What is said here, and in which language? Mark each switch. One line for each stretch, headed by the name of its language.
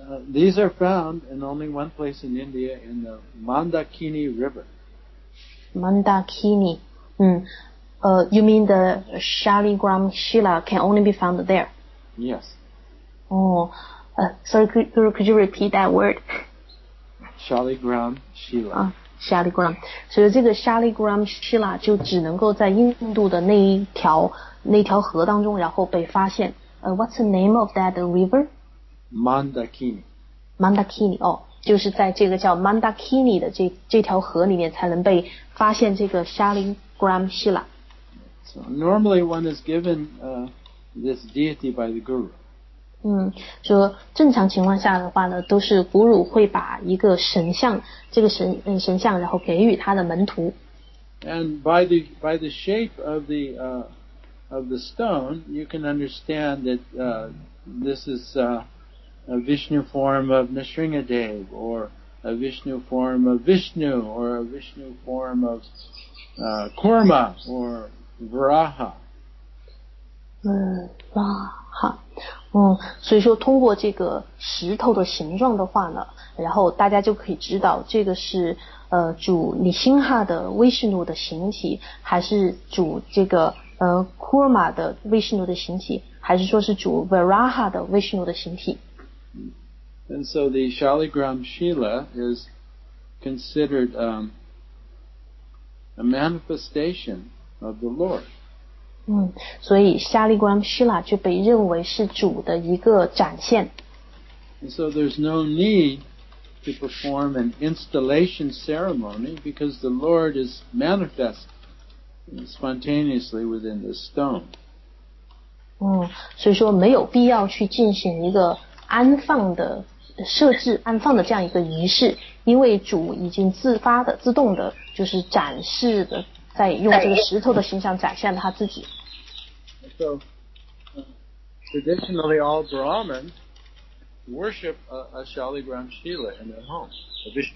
English: These are found in only one place in India, in the Mandakini River. Mandakini. You mean the Shaligram Shila can only be found there? Yes. Could you repeat that word? Shaligram Shila. Shaligram.
Chinese: 所以这个 Shaligram Shila 就只能够在印度的那条河当中，然后被发现。
English: What's the name of that river? Mandakini. Mandakini.
Chinese: 就是在这个叫 Mandakini 的这条河里面才能被发现这个 Shaligram Shila。
English: So normally one is given this deity by the guru.
Chinese: 说正常情况下的话呢，都是古鲁会把一个神像，这个神像，然后给予他的门徒。
English: And by the shape of the stone, you can understand that this is a Vishnu form of Nrisimhadev, or a Vishnu form of Vishnu, or a Vishnu form of Kurma, or Vraha. Vraha.
Chinese: 所以说通过这个石头的形状的话呢，然后大家就可以知道这个是主尼辛哈的威士努的形体，还是主这个Kurma的威士努的形体，还是说是主 Vraha 的威士努的形体。
English: And so the Shaligram Shila is considered a manifestation of the Lord.
Chinese: 所以 Shaligram Shila 就被认为是主的一个展现。 And so there's no need to perform an installation ceremony because the Lord is manifest spontaneously within this stone. 所以说没有必要去进行一个安放的设置，安放的这样一个仪式，因为主已经自发的、自动的，就是展示的。在用这个石头的形象展现他自己。
English: So, traditionally all Brahmins worship a Shaligram Shila in their home, a